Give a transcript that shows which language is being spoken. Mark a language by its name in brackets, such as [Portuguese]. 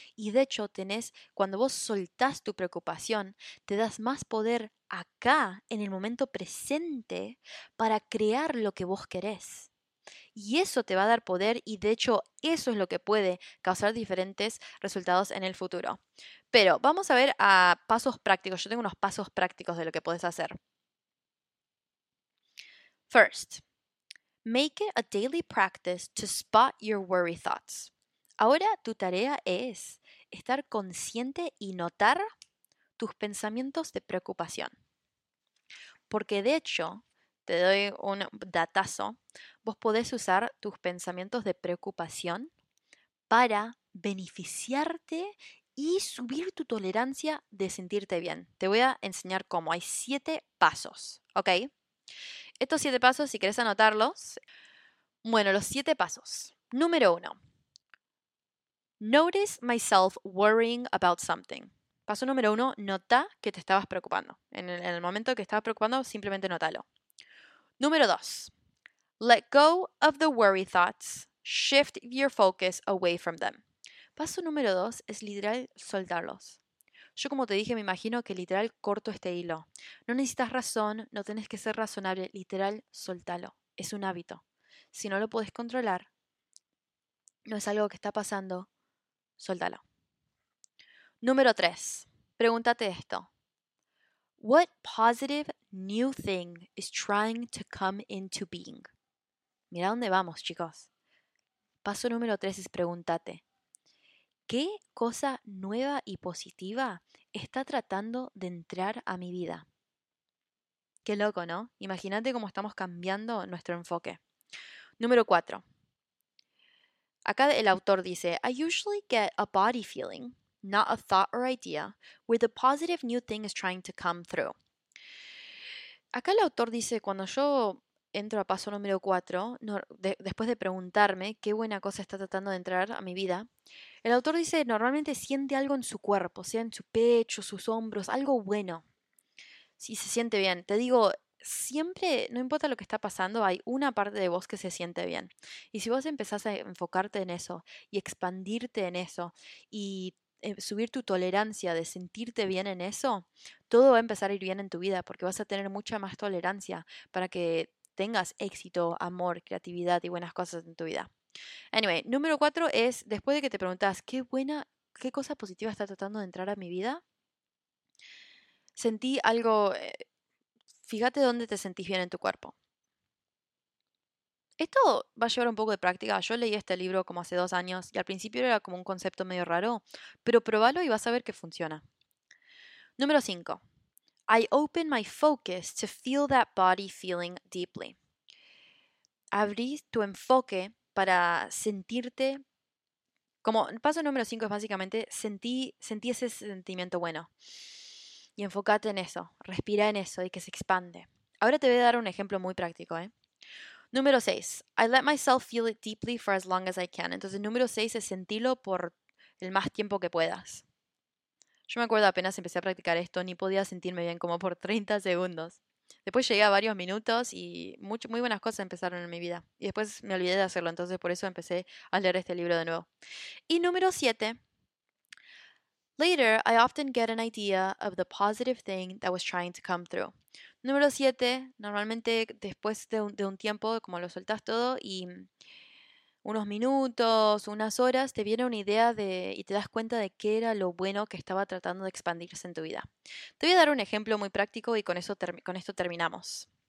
[Spanish] Y de hecho, cuando vos soltás tu preocupación, te das más poder acá, en el momento presente, para crear lo que vos querés. Y eso te va a dar poder y de hecho eso es lo que puede causar diferentes resultados en el futuro. Pero vamos a ver a pasos prácticos. Yo tengo unos pasos prácticos de lo que puedes hacer. [English] First, make it a daily practice to spot your worry thoughts. [Spanish] Ahora tu tarea es estar consciente y notar tus pensamientos de preocupación. Porque de hecho, te doy un datazo. Vos podés usar tus pensamientos de preocupación para beneficiarte y subir tu tolerancia de sentirte bien. Te voy a enseñar cómo. Hay 7 pasos, ¿ok? Estos 7 pasos, si querés anotarlos. Bueno, los 7 pasos. Número 1. [English] Notice myself worrying about something. [Spanish] Paso número 1. Nota que te estabas preocupando. En el momento que estabas preocupando, simplemente nótalo. Número 2. [English] Let go of the worry thoughts. Shift your focus away from them. [Spanish] Paso número dos es literal soltarlos. Yo, como te dije, me imagino que literal corto este hilo. No necesitas razón, no tenés que ser razonable, literal, soltalo. Es un hábito. Si no lo podés controlar, no es algo que está pasando, soltalo. Número 3. Pregúntate esto. [English] What positive new thing is trying to come into being? [Spanish] Mira dónde vamos, chicos. Paso número 3 es pregúntate. ¿Qué cosa nueva y positiva está tratando de entrar a mi vida? Qué loco, ¿no? Imagínate cómo estamos cambiando nuestro enfoque. Número 4. Acá el autor dice, [English] I usually get a body feeling, not a thought or idea, where the positive new thing is trying to come through. [Spanish] Acá el autor dice, cuando yo entro a paso número 4, después de preguntarme qué buena cosa está tratando de entrar a mi vida, el autor dice, normalmente siente algo en su cuerpo, sea en su pecho, sus hombros, algo bueno. Sí, se siente bien. Te digo, siempre, no importa lo que está pasando, hay una parte de vos que se siente bien. Y si vos empezás a enfocarte en eso y expandirte en eso y subir tu tolerancia de sentirte bien en eso, todo va a empezar a ir bien en tu vida porque vas a tener mucha más tolerancia para que tengas éxito, amor, creatividad y buenas cosas en tu vida. Anyway, número 4 es, después de que te preguntas qué cosa positiva está tratando de entrar a mi vida, sentí algo, fíjate dónde te sentís bien en tu cuerpo. Esto va a llevar un poco de práctica. Yo leí este libro como hace 2 años y al principio era como un concepto medio raro, pero probalo y vas a ver que funciona. Número 5. [English] I open my focus to feel that body feeling deeply. [Spanish] Abrís tu enfoque para sentirte, como paso número 5 es básicamente, sentí ese sentimiento bueno. Y enfócate en eso, respira en eso y que se expande. Ahora te voy a dar un ejemplo muy práctico, Número 6. [English] I let myself feel it deeply for as long as I can. [Spanish] Entonces, número 6 es sentirlo por el más tiempo que puedas. Yo me acuerdo apenas empecé a practicar esto, ni podía sentirme bien como por 30 segundos. Después llegué a varios minutos y muy buenas cosas empezaron en mi vida. Y después me olvidé de hacerlo, entonces por eso empecé a leer este libro de nuevo. Y número 7. [English] Later, I often get an idea of the positive thing that was trying to come through. [Spanish] Número 7, normalmente después de un tiempo, como lo soltás todo y unos minutos, unas horas, te viene una idea y te das cuenta de qué era lo bueno que estaba tratando de expandirse en tu vida. Te voy a dar un ejemplo muy práctico y con esto terminamos.